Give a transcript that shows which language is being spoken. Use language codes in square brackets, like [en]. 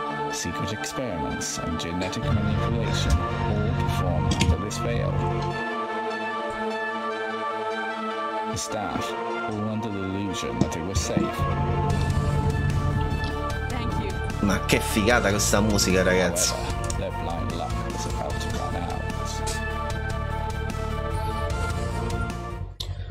[en] Secret experiments and genetic manipulation all performed under this veil. The staff, all under the illusion that they were safe. Thank you. [it] Ma che figata questa musica, ragazzi. [en] However, their blind luck was about to run out.